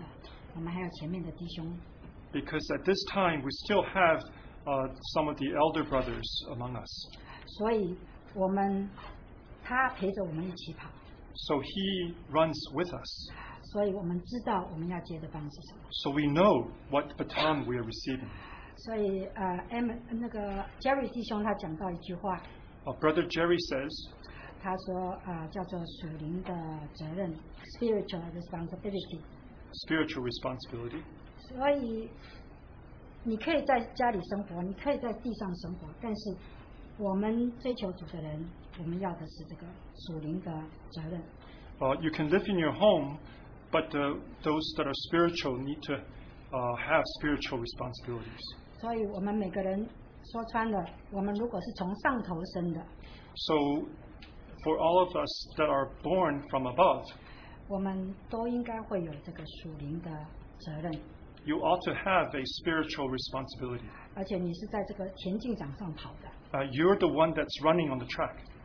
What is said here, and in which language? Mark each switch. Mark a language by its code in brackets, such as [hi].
[zh] 因为这段时间我们还有年长的，我们还有前面的弟兄。 [en] Because at this time we still have some of the elder brothers among us. [zh] 所以我们他陪着我们一起跑。 [en] So he runs with us. [zh] 所以我们知道我们要接的棒是什么。 [en] So we know what baton we are receiving. [zh] 所以 那个 Jerry 弟兄他讲到一句话。 [en] Brother Jerry says. [zh] 他说, 叫做属灵的责任, [en] spiritual responsibility. Spiritual responsibility. [zh] 所以你可以在家里生活, 你可以在地上生活, 但是我们追求主的人, 我们要的是这个属灵的责任。 [en] You can live in your home, but those that are spiritual need to have spiritual responsibilities. [zh] 所以我们每个人说穿了, 我们如果是从上头生的, [en] So for all of us that are born from above, you ought to have a spiritual responsibility. You're the one that's running on the track.